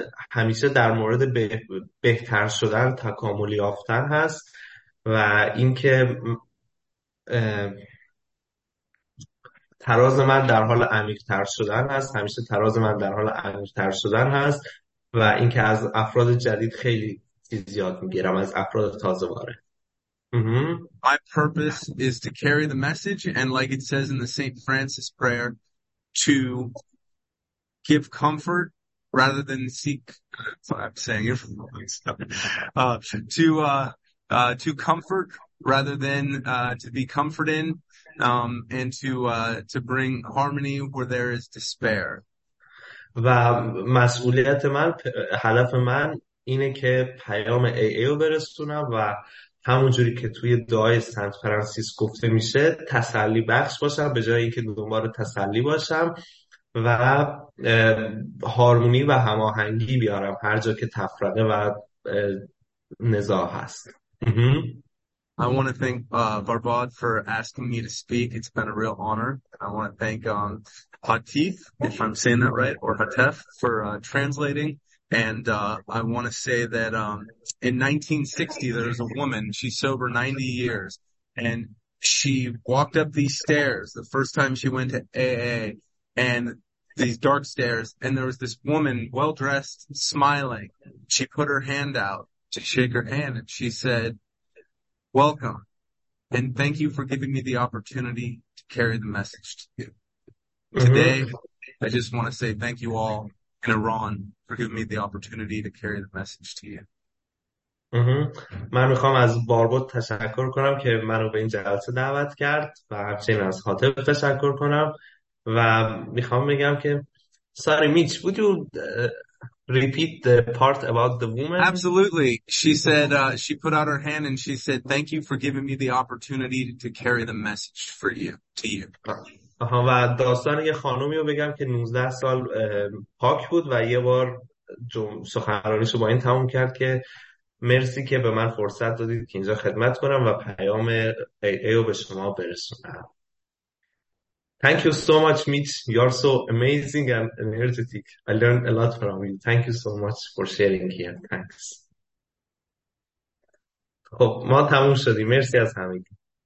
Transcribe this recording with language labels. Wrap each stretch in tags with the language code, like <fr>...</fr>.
<fa>همیشه در مورد بهتر شدن، تکامل یافتن هست و اینکه تراز من در حال عمیق‌تر شدن هست، همیشه تراز من در حال عمیق‌تر شدن هست و اینکه از افراد جدید خیلی چیز یاد میگیرم، از افراد تازه وارد.</fa> <en>My purpose is to carry the message, and like it says in the St. Francis prayer, to give comfort rather than seek. Sorry, I'm saying it from wrong. To comfort rather than to be comforted, and to bring harmony where there is despair.</en> <fa>و مسئولیت من، هدف من اینه که پیام AA رو برسونم و همون جوری که توی دعای سنت فرانسیس گفته میشه تسلی بخش باشم به جای اینکه دنبال تسلی باشم و هارمونی و هماهنگی بیارم هر جا که تفرقه و نزاع هست.</fa> <en>I want to thank Barbad for asking me to speak. It's been a real honor. I want to thank Hatif, if I'm saying that right, or Hatef for translating. And I want to say that in 1960, there was a woman, she's sober 90 years, and she walked up these stairs the first time she went to AA, and these dark stairs, and there was this woman, well-dressed, smiling. She put her hand out to shake her hand, and she said, Welcome, and thank you for giving me the opportunity to carry the message to you. Today, I just want to say thank you all in Iran for giving me the opportunity to carry the message to you.</en> <fa>من میخوام از باربود تشکر کنم که منو به این جلسه دعوت کرد و همچنین از خاطر تشکر کنم و میخوام بگم که ساری میچ</fa> <en>would you repeat the part about the woman? Absolutely. She said, she put out her hand and she said, thank you for giving me the opportunity to carry the message for you, to you.</en> <fa>و داستان یه خانومی رو بگم که 19 سال پاک بود و یه بار سخنرانیش رو با این تموم کرد که مرسی که به من فرصت دادید که اینجا خدمت کنم و پیام ای رو به شما برسونم.</fa> <en>Thank you so much, Mitch. You are so amazing and energetic. I learned a lot from you. Thank you so much for sharing here. Thanks.</en> <fa>خب، ما تموم شدیم. مرسی از همگی.</fa>